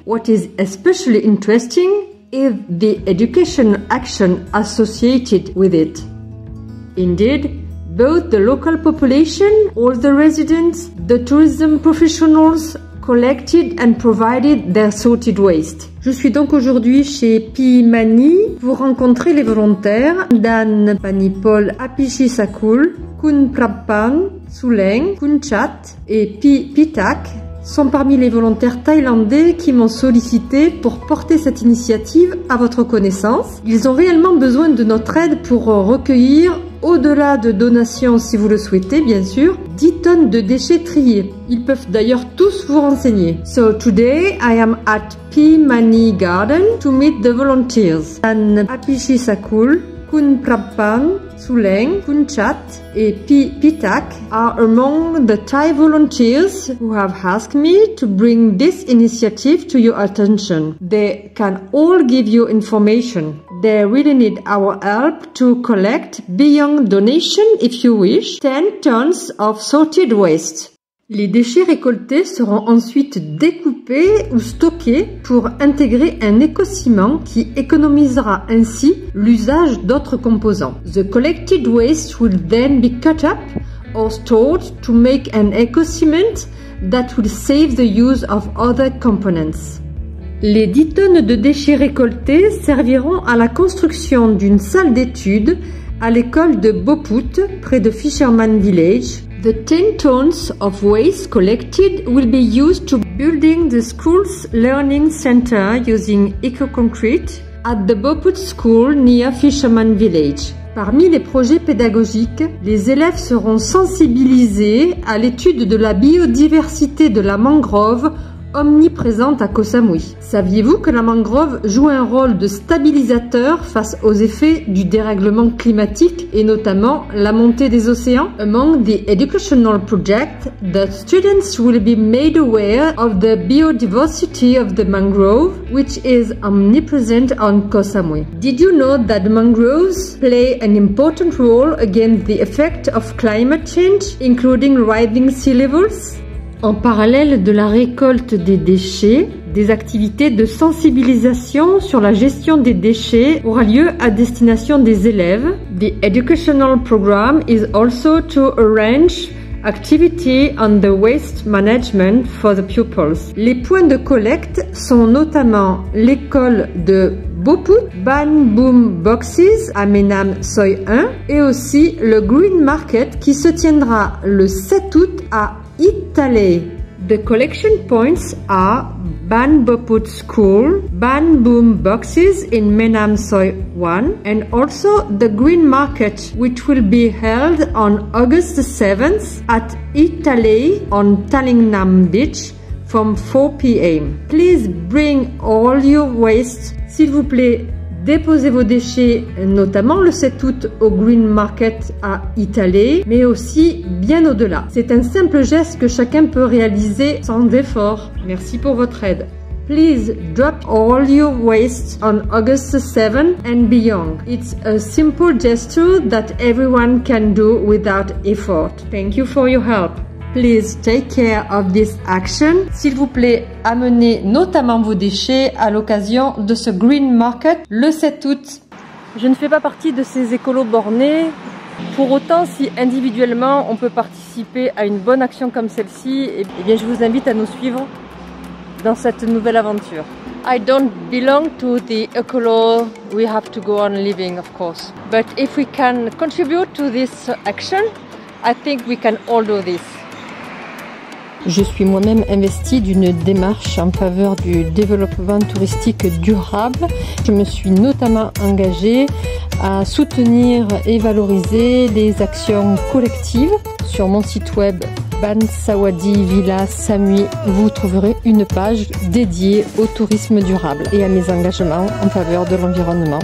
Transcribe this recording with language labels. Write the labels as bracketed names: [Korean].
[English] What is especially interesting is the educational action associated with it. Indeed, both the local population, all the residents, the tourism professionals collected and provided their sorted waste. [French] Je suis donc aujourd'hui chez Pimani pour rencontrer les volontaires Dan Panipol Apichi Sakul, Kun Prapan Suleng, Kun Chat et Pi Pitak sont parmi les volontaires thaïlandais qui m'ont sollicité pour porter cette initiative à votre connaissance. Ils ont réellement besoin de notre aide pour recueillir, au-delà de donations si vous le souhaitez bien sûr, 10 tonnes de déchets triés. Ils peuvent d'ailleurs tous vous renseigner. [English] So today I am at Pimani Garden to meet the volunteers. Dan Apichi Sakul, Kun Prapan Suleng, Kun Chat et Pitak are among the Thai volunteers who have asked me to bring this initiative to your attention. They can all give you information. They really need our help to collect, beyond donation if you wish, 10 tons of sorted waste. [French] Les déchets récoltés seront ensuite découpés ou stockés pour intégrer un éco-ciment qui économisera ainsi l'usage d'autres composants. [English] The collected waste will then be cut up or stored to make an eco-cement that will save the use of other components. [French] Les 10 tonnes de déchets récoltés serviront à la construction d'une salle d'études à l'école de Boput près de Fisherman Village. [English] The 10 tons of waste collected will be used to building the school's learning center using eco-concrete at the Boput School near Fisherman Village. [French] Parmi les projets pédagogiques, les élèves seront sensibilisés à l'étude de la biodiversité de la mangrove omniprésente à Koh Samui. Saviez-vous que la mangrove joue un rôle de stabilisateur face aux effets du dérèglement climatique et notamment la montée des océans? [English] Among the educational project, the students will be made aware of the biodiversity of the mangrove, which is omnipresent on Koh Samui. Did you know that mangroves play an important role against the effect of climate change, including rising sea levels? [French] En parallèle de la récolte des déchets, des activités de sensibilisation sur la gestion des déchets aura lieu à destination des élèves. [English] The educational program is also to arrange activity on the waste management for the pupils. [French] Les points de collecte sont notamment l'école de Boput, Ban Boom Boxes à Menam Soi 1 et aussi le Green Market qui se tiendra le 7 août à Italy. [English] The collection points are Ban Boput School, Ban Boom Boxes in Menam Soi 1, and also the Green Market, which will be held on August 7th at Italy on Tallingnam Beach from 4 p.m. Please bring all your waste. [French] S'il vous plaît, déposez vos déchets, notamment le 7 août au Green Market à Italie, mais aussi bien au-delà. C'est un simple geste que chacun peut réaliser sans effort. Merci pour votre aide. [English] Please drop all your waste on August 7 and beyond. It's a simple gesture that everyone can do without effort. Thank you for your help. Please take care of this action. [French] S'il vous plaît, amenez notamment vos déchets à l'occasion de ce Green Market le 7 août. Je ne fais pas partie de ces écolos bornés. Pour autant, si individuellement on peut participer à une bonne action comme celle-ci, eh bien je vous invite à nous suivre dans cette nouvelle aventure. [English] I don't belong to the ecolo we have to go on living, of course. But if we can contribute to this action, I think we can all do this. [French] Je suis moi-même investie d'une démarche en faveur du développement touristique durable. Je me suis notamment engagée à soutenir et valoriser les actions collectives. Sur mon site web Bansawadi Villa Samui, vous trouverez une page dédiée au tourisme durable et à mes engagements en faveur de l'environnement.